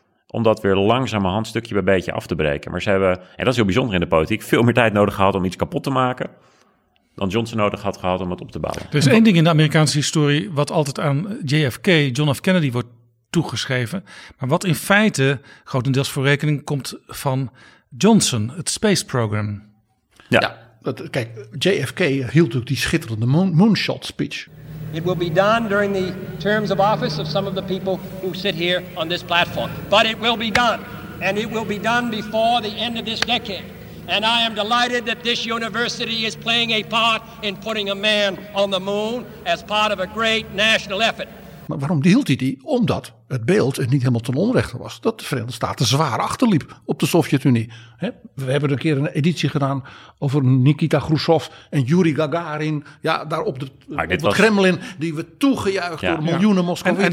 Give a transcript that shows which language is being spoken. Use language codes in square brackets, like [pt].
[nl] om dat weer langzamerhand stukje bij beetje af te breken. Maar ze hebben, en dat is heel bijzonder in de politiek, veel meer tijd nodig gehad om iets kapot te maken dan Johnson nodig had gehad om het op te bouwen. Er is één ding in de Amerikaanse historie wat altijd aan JFK, John F. Kennedy, wordt toegeschreven. Maar wat in feite grotendeels voor rekening komt van Johnson, het space program. Ja. Kijk, JFK hield ook die schitterende moonshot speech. [en] It will be done during the terms of office of some of the people who sit here on this platform. But it will be done. And it will be done before the end of this decade. And I am delighted that this university is playing a part in putting a man on the moon as part of a great national effort. [nl] Maar waarom hield hij die? Omdat het beeld niet helemaal ten onrechte was. Dat de Verenigde Staten zwaar achterliep op de Sovjet-Unie. We hebben een keer een editie gedaan over Nikita Khrushchev en Yuri Gagarin. Ja, daar op het Kremlin, die we toegejuicht door miljoenen Moskowieten.